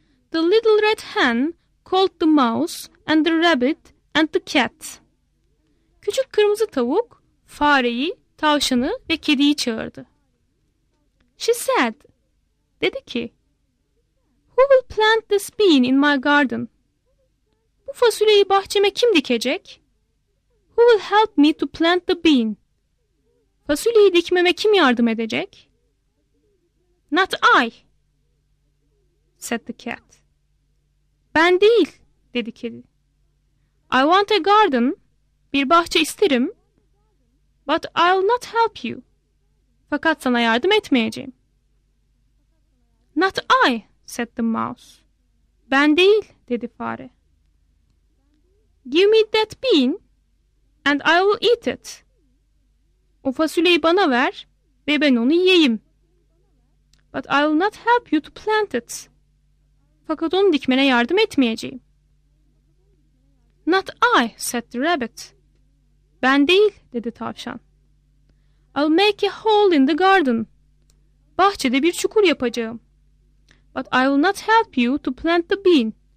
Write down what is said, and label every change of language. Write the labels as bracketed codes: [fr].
[en] The little red hen called the mouse and the rabbit and the cat. [tr] Küçük kırmızı tavuk, fareyi, tavşanı ve kediyi çağırdı. [en] She said, [tr] dedi ki, [en] Who will plant this bean in my garden? [tr] Bu fasulyeyi bahçeme kim dikecek? [en] Who will help me to plant the bean? [tr] Fasulyeyi dikmeme kim yardım edecek? [en] Not I, said the cat. [tr] Ben değil, dedi kedi. [en] I want a garden, [tr] bir bahçe isterim, [en] but I'll not help you. [tr] Fakat sana yardım etmeyeceğim. [en] Not I, said the mouse. [tr] Ben değil, dedi fare. [en] Give me that bean, and I will eat it. [tr] O fasulyeyi bana ver ve ben onu yiyeyim. [en] But I will not help you to plant it. [tr] Fakat onu dikmene yardım etmeyeceğim. [en] Not I, said the rabbit. [tr] Ben değil, dedi tavşan. [en] I'll make a hole in the garden. [tr] Bahçede bir çukur yapacağım. [en] But I will not help you to plant the bean.